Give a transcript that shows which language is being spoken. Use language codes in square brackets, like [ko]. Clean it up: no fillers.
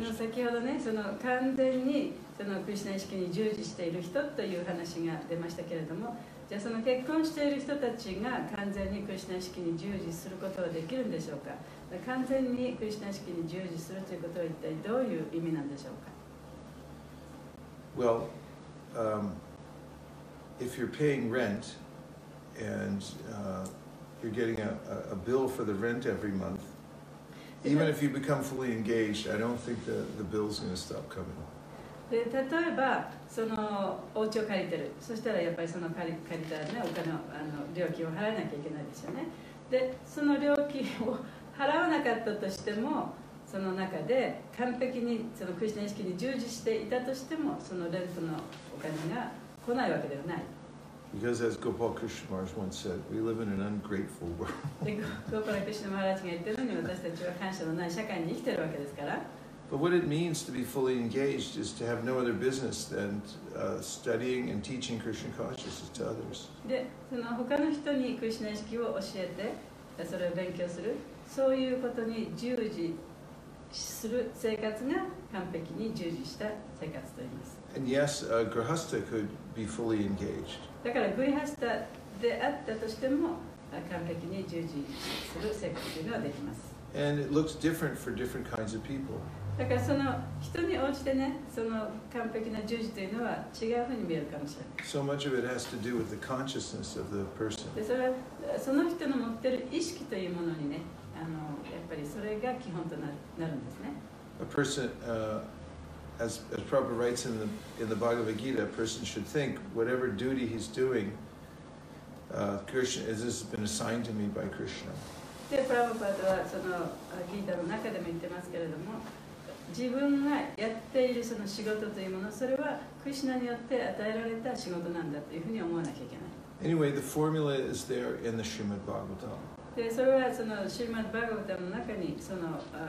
[ja] No, 先ほどね、その完全にそのクリシュナ意識に従事している人という話が出ましたけれども、じゃあその結婚している人たちが完全にクリシュナ意識に従事することはできるんでしょうか？完全にクリシュナ意識に従事するということは一体どういう意味なんでしょうか？ [en] Well, if you're paying rent and you're getting a bill for the rent every month, even if you become fully engaged, I don't think the bill's going to stop coming. [ja] で、例えばそのお家を借りてる。そしたらやっぱりその借りたね、お金 の料金を払わなきゃいけないですよね。で、その料金を払わなかったとしても、その中で完璧にそのクリシュナ意識に従事していたとしても、そのレントのお金が来ないわけではない。 [en] Because as Gopal Krishna Maharaj once said, we live in an ungrateful world. [ja] Gopal Krishna Maharaj が言ってるのに、私たちは感謝のない社会に生きてるわけですから。 [en] But what it means to be fully engaged is to have no other business than studying and teaching Krishna consciousness to others. [ja] で、その他の人にクリシュナ意識を教えて、それを勉強する、そういうことに従事する生活が完璧に従事した生活と言います。 [en] And yes, Grihastha could be fully engaged. [ja] だから、グリハスタであったとしても、完璧に従事する生活というのはできます。 [en] And it looks different for different kinds of people. [ja] だから、その人に応じてね、その完璧な従事というのは違うふうに見えるかもしれない。 [en] So much of it has to do with the consciousness of the person. [ja] で、それはその人の持ってる意識というものにね、やっぱりそれが基本となるんですね。 [en] A person, As Prabhupada writes in the Bhagavad Gita, a person should think, whatever duty he's doing, Krishna, this has been assigned to me by Krishna. [ja] で、プラヴァパダはそのギータの中でも言ってますけれども、自分がやっているその仕事というもの、それはクリシュナによって与えられた仕事なんだというふうに思わなきゃいけない。 [en] Anyway, the formula is there in the Srimad Bhagavatam. [ja] で、それはそのシリマッバーガヴァタの中にその、